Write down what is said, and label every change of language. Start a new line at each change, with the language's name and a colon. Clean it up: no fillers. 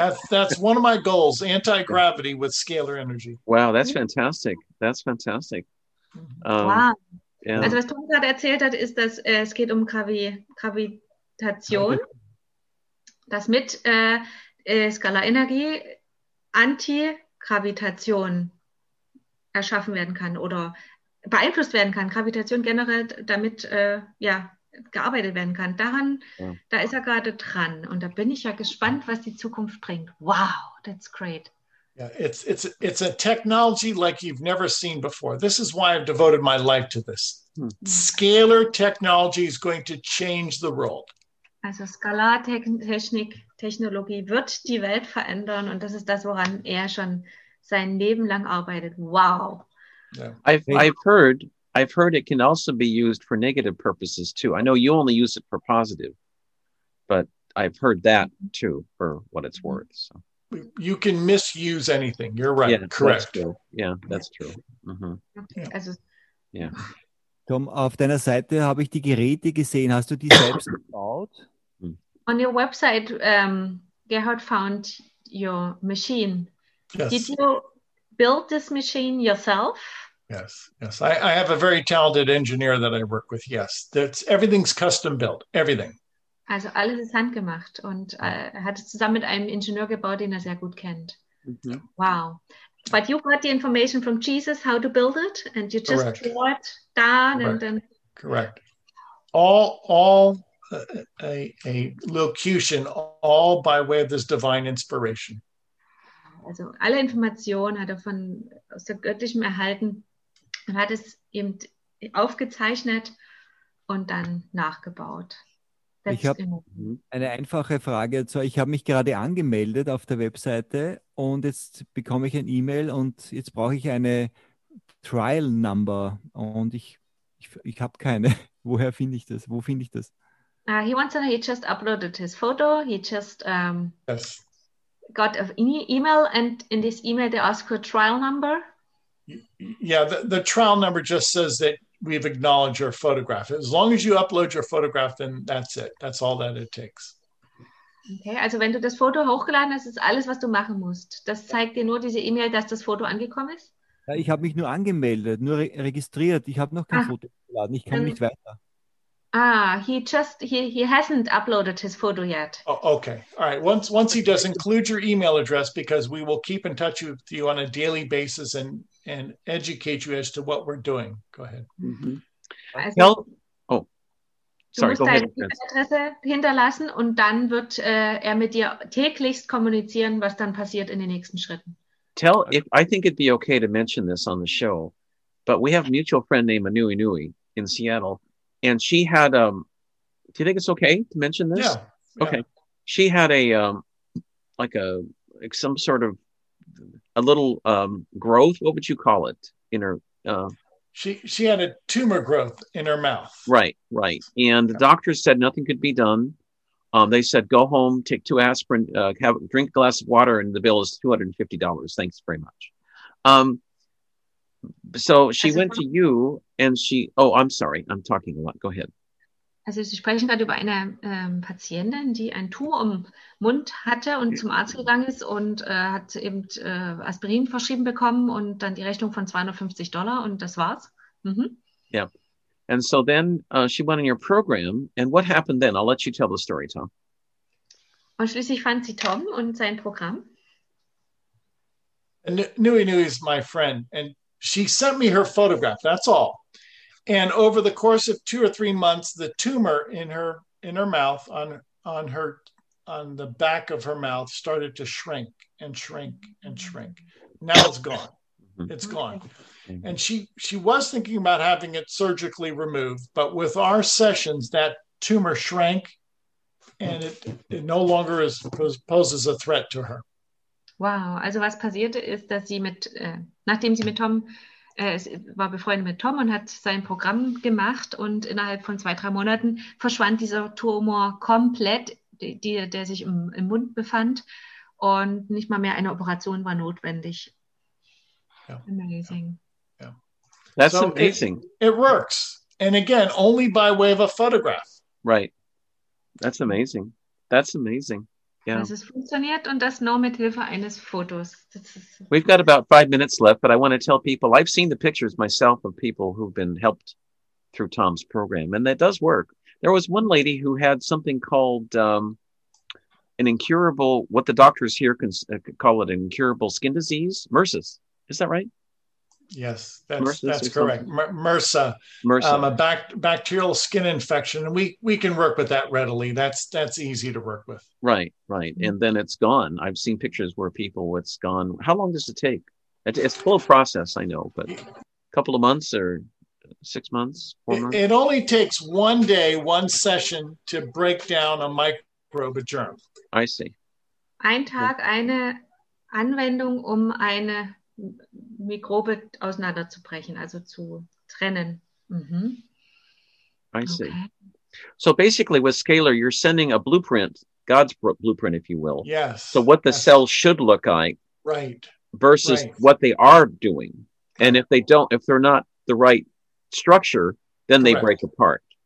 English: that's one of my goals, anti-gravity with scalar energy. Wow, that's fantastic. That's fantastic. Yeah.
German: Also was Tom gerade erzählt hat, ist, dass es geht um Gravitation, dass mit Skalarenergie Antigravitation erschaffen werden kann oder beeinflusst werden kann, Gravitation generell damit gearbeitet werden kann. Da ist er gerade dran und da bin ich ja gespannt, was die Zukunft bringt.
English: Wow, that's great. Yeah, it's a technology like you've never seen before. This is why I've devoted my life to this. Scalar technology is going to change the world.
German: Also Skalartechnologie wird die Welt verändern und das ist das, woran er schon sein Leben lang arbeitet.
English: Wow. Yeah. I've heard it can also be used for negative purposes too. I know you only use it for positive, but I've heard that too for what it's worth. So. You can misuse anything. You're right. Yeah, correct. That's true. Mm-hmm.
German: Tom, auf deiner Seite habe ich die Geräte gesehen. Hast du die selbst gebaut?
English: On your website, Gerhard found your machine. Yes. Did you build this machine yourself? Yes. Yes. I have a very talented engineer that I work with. Yes. That's everything's custom built. Everything.
German: Also alles ist handgemacht und hat es zusammen mit einem Ingenieur gebaut, den er sehr gut kennt. Mm-hmm.
English: Wow. But you got the information from Jesus how to build it and you just correct. Draw it down correct. And then correct. All a locution all by way of this divine inspiration.
German: Also alle Informationen hat er von aus der göttlichen erhalten und hat es eben aufgezeichnet und dann nachgebaut. Ich habe eine einfache Frage. Ich habe mich gerade angemeldet auf der Webseite und jetzt bekomme ich ein E-Mail und jetzt brauche ich eine Trial Number und ich habe keine. Woher finde ich das? Wo finde ich das?
English: He wants to know, he just uploaded his photo. He just got an E-Mail and in this email they ask for a trial number. Yeah, the trial number just says that we've acknowledged your photograph. As long as you upload your photograph, then that's it. That's all that it takes.
German: Okay, also wenn du das Foto hochgeladen hast, ist alles, was du machen musst. Das zeigt dir nur diese E-Mail, dass das Foto angekommen ist? Ja, ich habe mich nur angemeldet, nur registriert. Ich habe noch kein Foto geladen. Ich kann nicht weiter.
English: He hasn't uploaded his photo yet. Oh, okay, all right. Once he does, include your email address because we will keep in touch with you on a daily basis and educate you as to what we're doing. Go ahead. Mm-hmm. Well, sorry, go ahead.
German: Du musst deine E-Mail-Adresse hinterlassen und dann wird er mit dir täglichst kommunizieren, was dann passiert in den nächsten Schritten.
English: I think it'd be okay to mention this on the show, but we have a mutual friend named Anui Nui in Seattle. And she had, do you think it's okay to mention this? Yeah. Okay. She had a little growth. What would you call it in her? She had a tumor growth in her mouth. Right, right. And the doctors said nothing could be done. They said, go home, take two aspirin, drink a glass of water, and the bill is $250. Thanks very much. So she went to you and she, oh, I'm sorry, I'm talking a lot. Go ahead.
German: Also Sie sprechen gerade über eine Patientin, die einen Tumor im Mund hatte und zum Arzt gegangen ist und hat eben Aspirin verschrieben bekommen und dann die Rechnung von $250 und das war's.
English: Mm-hmm. Yeah. And so then she went in your program and what happened then? I'll let you tell the story, Tom.
German: Und schließlich fand sie Tom und sein Programm.
English: Nui Nui is my friend and she sent me her photograph, that's all. And over the course of 2 or 3 months, the tumor in her mouth, on the back of her mouth, started to shrink and shrink and shrink. Now it's gone. It's gone. And she was thinking about having it surgically removed, but with our sessions, that tumor shrank and it no longer poses a threat to her. Wow.
German: Also was passierte ist, dass sie war befreundet mit Tom und hat sein Programm gemacht und innerhalb von 2-3 Monaten verschwand dieser Tumor komplett, der sich im Mund befand und nicht mal mehr eine Operation war notwendig.
English: Yeah. Amazing. Yeah. That's so amazing. It works. And again, only by way of a photograph. Right. That's amazing. That's amazing. Yeah.
German: Es funktioniert und das nur mit Hilfe eines Fotos.
English: We've got about 5 minutes left, but I want to tell people I've seen the pictures myself of people who've been helped through Tom's program, and that does work. There was one lady who had something called an incurable, what the doctors here can call it, an incurable skin disease, MRSA. Is that right? Yes, that's correct. MRSA. A bacterial skin infection. And we can work with that readily. That's easy to work with. Right. And then it's gone. I've seen pictures where it's gone. How long does it take? It's a slow process, I know, but a couple of months or 6 months? It only takes one day, one session to break down a microbe, a germ. I see.
German: Ein Tag, eine Anwendung, eine Mikrobe auseinanderzubrechen, also zu trennen.
English: Mm-hmm. I see. Okay. So basically with Scalar, you're sending a blueprint, God's blueprint, if you will. Yes. So what the cell should look like. Right. Versus what they are doing. And if they're not the right structure, then they break apart.